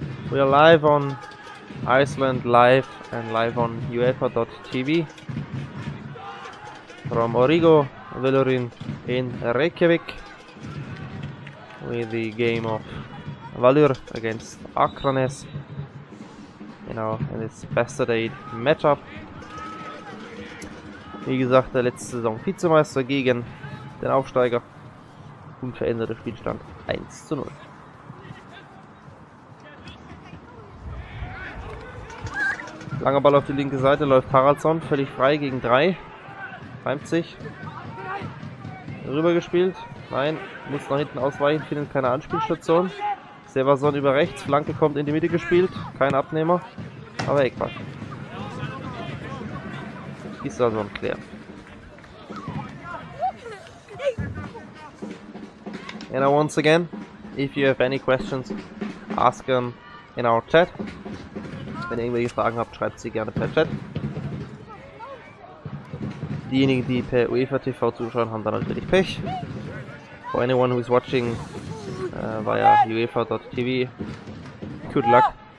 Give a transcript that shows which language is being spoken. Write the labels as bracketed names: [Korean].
[English] We are live on Iceland live and live on UEFA.tv from Origo Villurin in Reykjavik with the game of Valur against Akranes in its Bastard Aid matchup. [German] Wie gesagt, der letzte Saison Vizemeister gegen den Aufsteiger. Unveränderter Spielstand 1:0. Langer Ball auf die linke Seite, läuft Haraldsson, völlig frei gegen 3. Reimt sich. Rübergespielt. Nein, muss nach hinten ausweichen, findet keine Anspielstation. Severson über rechts, Flanke kommt in die Mitte gespielt. Kein Abnehmer, aber Eckball. Gislason klärt. [English] And once again, if you have any questions, ask them in our chat. [German] Wenn ihr irgendwelche Fragen habt, schreibt sie gerne per Chat. Diejenigen, die per UEFA TV zuschauen, haben dann natürlich Pech. [English] For anyone who is watching via UEFA.tv, good luck.